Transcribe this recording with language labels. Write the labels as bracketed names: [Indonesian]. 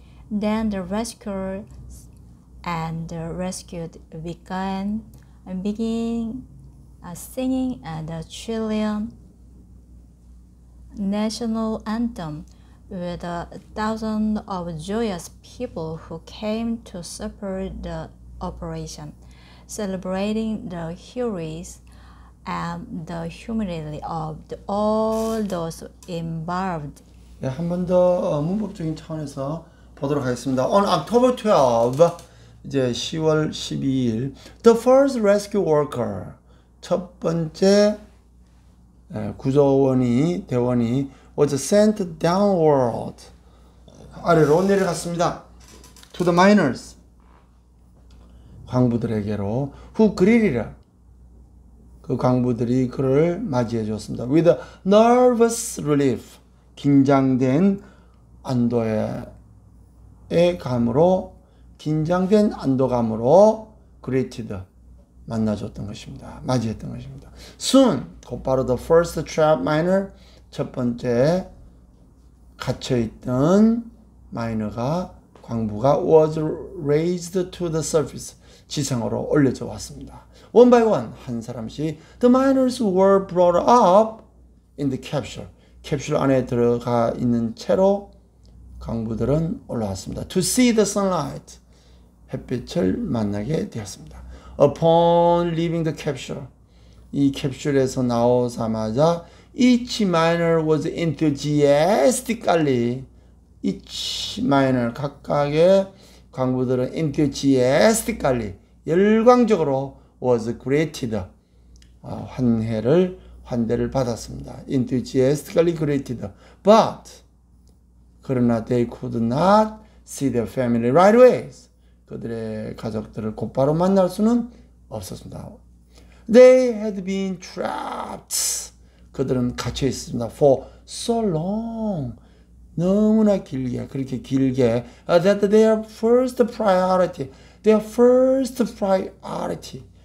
[English] Then the rescuers and the rescued began singing the Chilean national anthem with a thousand of joyous people who came to support the operation, celebrating the heroes and the humility of all those involved. [Korean] 예, 한 번 더 문법적인 차원에서 보도록 하겠습니다. [English] On October 12, [Korean] 이제 10월 12일, [English] the first rescue worker, [Korean] 첫 번째 구조원이, 대원이 [English] was sent downward, [Korean] 아래로 내려갔습니다. [English] To the miners, [Korean] 광부들에게로, [English] who greeted her. [Korean] 그 광부들이 그를 맞이해 주었습니다. [English] With a nervous relief, [Korean] 긴장된 안도의 감으로, 긴장된 안도감으로 [English] greeted, [Korean] 만나줬던 것입니다. 맞이했던 것입니다. [English] Soon, [Korean] 곧바로 [English] the first trapped miner, [Korean] 첫 번째 갇혀있던 마이너가, 광부가 [English] was raised to the surface, [Korean] 지상으로 올려져 왔습니다. [English] One by one, [Korean] 한 사람씩 [English] the miners were brought up in the capsule. [Korean] 캡슐 안에 들어가 있는 채로 광부들은 올라왔습니다. [English] To see the sunlight, [Korean] 햇빛을 만나게 되었습니다. [English] Upon leaving the capsule, [Korean] 이 캡슐에서 나오자마자 [English] each miner was enthusiastically, each miner, [Korean] 각각의 광부들은 [English] enthusiastically, [Korean] 열광적으로 [English] was greeted, [Korean] 환대를 받았습니다. [English] Enthusiastically greeted. But, [Korean] 그러나 [English] they could not see their family right away. [Korean] 그들의 가족들을 곧바로 만날 수는 없었습니다. [English] They had been trapped. [Korean] 그들은 갇혀 있었습니다. [English] For so long. [Korean] 너무나 길게, 그렇게 길게. [English] That their first priority. Their first priority.